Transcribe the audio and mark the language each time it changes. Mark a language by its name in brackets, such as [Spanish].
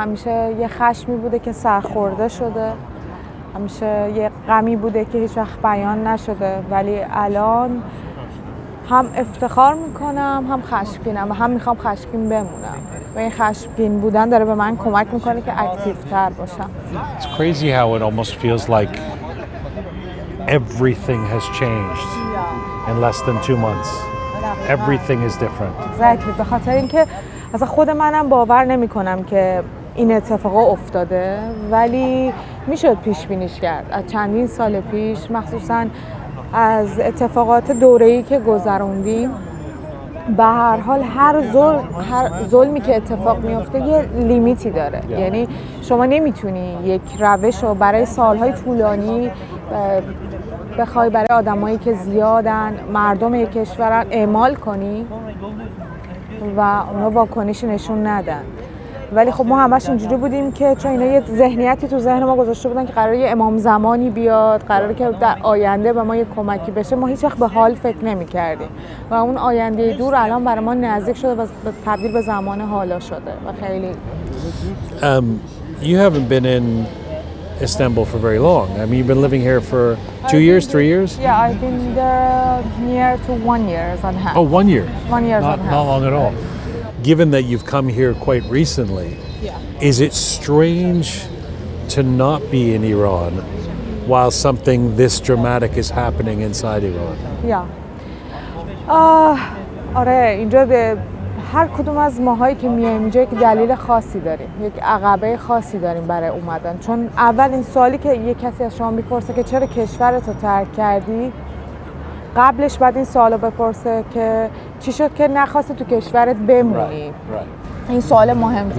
[Persian] همیشه یه خشمی بوده که سرخورده شده، همیشه یه غمی بوده که هیچ وقت بیان نشده، ولی الان هم افتخار میکنم هم خشمگینم و هم میخوام خشمگین بمونم و این خشمگین بودن داره به من کمک میکنه که اکتیو تر باشم. [English] It's crazy how it almost feels like everything has changed in less than 2 months. Everything is different. Exactly. [Persian] به خاطر اینکه اصلا خود منم باور نمیکنم که این اتفاق افتاده، ولی میشد پیش بینیش کرد از چندین سال پیش، مخصوصا از اتفاقات دوره‌ای که گذروندیم. به هر حال هر ظلمی که اتفاق میفته یه لیمیتی داره، یعنی شما نمیتونی یک روش رو برای سالهای طولانی بخوای برای آدمایی که زیادن مردم یک کشورن اعمال کنی و اونا واکنش نشون ندن. ولی خب ما همش اینجوری بودیم که چون اینا یه ذهنیتی تو ذهن ما گذاشته بودن که قراره یه امام زمانی بیاد، قراره که در آینده به ما یه کمکی بشه، ما هیچ وقت به حال فکر نمی کردیم و اون آینده دور الان برای ما نزدیک شده و تبدیل به زمان حالا شده و خیلی [English] You haven't been in Istanbul for very long. I mean, you've been living here for three years? Yeah, I've been there near to 1 year and a half. Oh, 1 year? 1 year and a half. Not long at all. Given that you've come here quite recently, is it strange to not be in Iran while something this dramatic is happening inside Iran? Yeah. [Persian] آره اینجا به هر کدوم از ماهایی که میایم اینجا یک دلیل خاصی داریم یک عقبه خاصی داریم برای اومدن چون اول این سوالی که یک کسی از شما میپرسه که چرا کشورت رو ترک کردی قبلش بعد این سوال رو بپرسه که چی شد که نخواستی تو کشورت بمونی این سوال مهمتره